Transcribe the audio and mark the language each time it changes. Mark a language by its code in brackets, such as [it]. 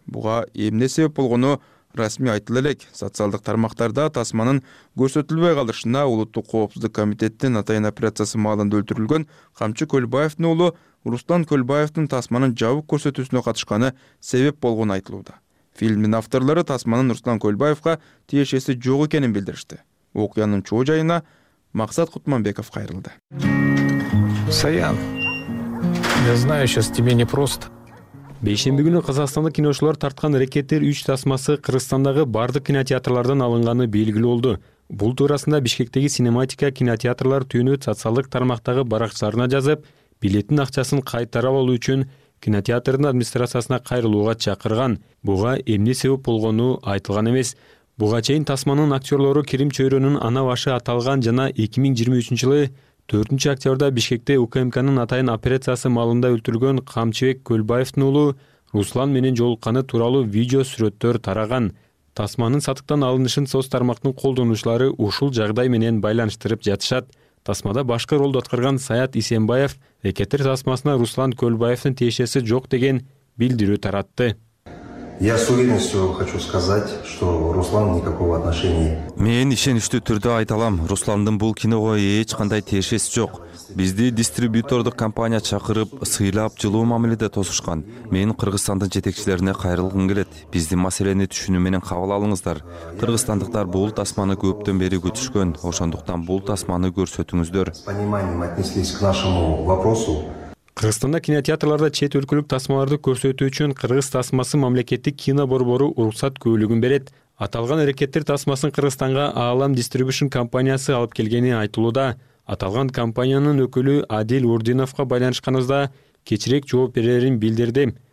[ky] Буга эмне себеп болгону расмий айтыла элек. Социалдык тармактарда тасманын көрсөтүлбөй калышына улуттук коопсуздук комитетинин атайын операциясы маалында өлтүрүлгөн Камчы Көлбаевдин уулу Руслан Көлбаевдин тасманын жабык көрсөтүүсүнө катышканы себеп болгону айтылууда. Фильмдин авторлору тасманын Руслан Көлбаевга тиешеси жок экенин билдиришти. Окуянын чоо жайына Максат Кутманбеков кайрылды. [ru] Саян, я знаю, сейчас тебе непросто. [ky] Бейшенби күнү Казакстандык киношулар тарткан Рекеттер 3 тасмасы Кыргызстандагы бардык кинотеатрлардан алынганы белгилүү болду. Бул туурасында Бишкектеги Синематика кинотеатрлар түйүнү социалдык тармактагы баракчаларына жазып, билеттин акчасын кайтарып алуу үчүн кинотеатрдын администрациясына кайрылууга чакырган. Буга эмне себеп болгону айтылган эмес. Буга чейин тасманын актерлору Кирим Чөйрөнүн ана башы аталган жана 2023 жылы 4 октябрда Бишкекте УКМКнын атайын операциясы маалында өлтүрүлгөн Камчыбек Көлбаевдин уулу Руслан менен жолукканы тууралуу видео сүрөттөр тараган. Тасманын сатыктан алынышын соц тармактын колдонуучулары ушул жагдай менен байланыштырып жатышат. Тасмада башка ролду аткарган Саят Исенбаев Рекеттер тасмасына Руслан Көлбаевдин тиешеси жок деген билдирүү таратты. [ru] Я с уверенностью хочу сказать, что Руслан никакого отношения. [ky] Мен ишеничтүү түрдө айталам, Русландын бул киного эч кандай тиешеси жок. Бизди дистрибьютордук компания чакырып, сыйлап жылуу мамиледе тосушкан. Мен Кыргызстандын жетекчилерине кайрылгым келет. Бизди маселени түшүнүү менен кабыл алыңыздар. Кыргызстандыктар бул тасманы көптөн бери күтүшкөн. Ошондуктан бул тасманы көрсөтүңүздөр. [ru] Пониманием отнеслись к нашему вопросу. [ky] Кыргызстанда кинотеатрларда чет өлкөлүк тасмаларды көрсөтүү үчүн Кыргыз тасмасы мамлекеттик кино борбору уруксат күүлүгүн берет. Аталган аракеттер тасмасын Кыргызстанга Аалам Дистрибьюшн компаниясы алып келгени айтылууда. Аталган компаниянын өкүлү Адил Урдиновго байланышканыбызда кечирээк жооп берерин билдирди.